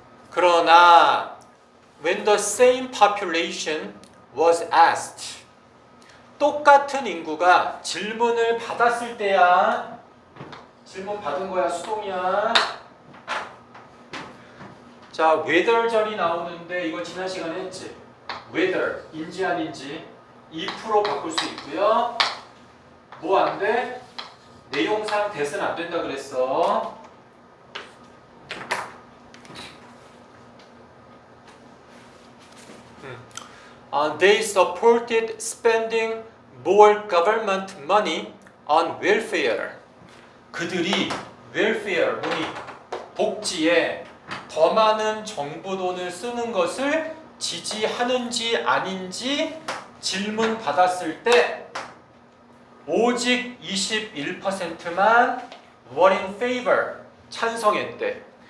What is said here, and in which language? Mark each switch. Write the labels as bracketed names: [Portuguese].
[Korean] 그러나 [English] when the same population was asked [Korean] 똑같은 인구가 질문을 받았을 때야 질문 받은 거야 수동이야 자 whether 절이 나오는데 이거 지난 시간에 했지 whether 인지 아닌지 if로 바꿀 수 있고요 뭐 안 돼? 내용상 that은 안 된다 그랬어 [English] they supported spending more government money on welfare. [Korean] 그들이 welfare, 뭐니? 복지에 더 많은 정부 돈을 쓰는 것을 지지하는지 아닌지 질문 받았을 때 오직 21%만 [English] were in favor, [Korean] 찬성했대.